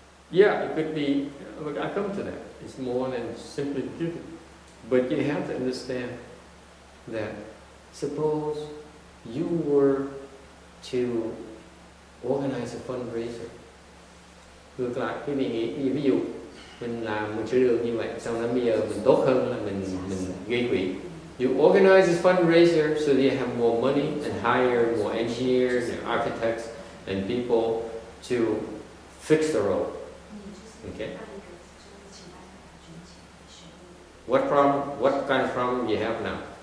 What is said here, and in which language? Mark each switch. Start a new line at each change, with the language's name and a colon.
English: Yeah, it could be, look, I come to that. It's more than simply duty. But you have to understand that suppose you were to organize a fundraiser.
Vietnamese: Ngược lại, quý vị nghĩ, ví dụ mình làm một sửa đường như vậy, xong rồi bây giờ mình tốt hơn là mình gây quỹ.
English: You organize a fundraiser so that you have more money and hire more engineers and architects and people to fix the road. Okay. What problem? What kind of problem you have now?